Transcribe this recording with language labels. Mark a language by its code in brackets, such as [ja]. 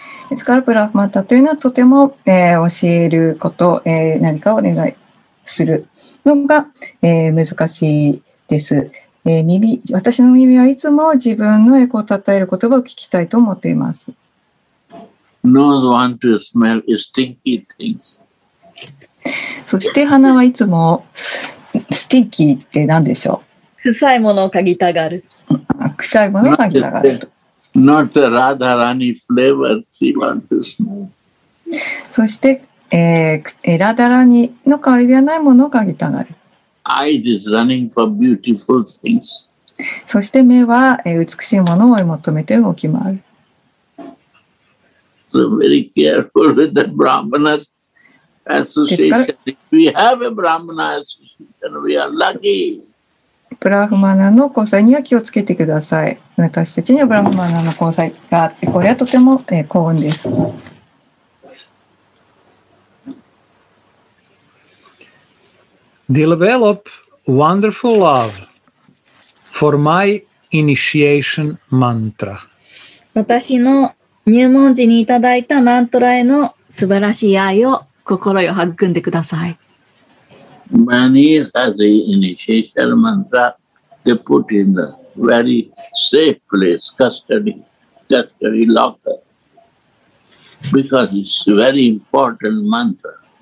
[ja] ですからブラフマタというのはとても、教えること、何かお願いするのが、難しいです、私の耳はいつも自分のエコを称える言葉を聞きたいと思っています。 [en] Nose want to smell stinky things. [ja] そして鼻はいつもスティンキーって何でしょう。臭いものを嗅ぎたがる。臭いものを嗅ぎたがる。 [en] Not the Radharani flavor she wants to smell. [ja] そして、ラダラニの香りではないものを嗅ぎたがる。 [en] Eyes is running for beautiful things. [ja] そして目は、美しいものを求めて動き回る。 [en] So very careful with the Brahmana association. We have a Brahmana association. We are lucky. [ja] ブラフマナの交際には気をつけてください。私たちにはブラフマナの交際があって、これはとても幸運です。 [en] Develop wonderful love for my initiation mantra. [ja] 私の入門時にいただいたマントラへの素晴らしい愛を心よ育んでください。 [en] Mani has the initiation mantra they put in the very safe place, custody locker, because it's very important mantra.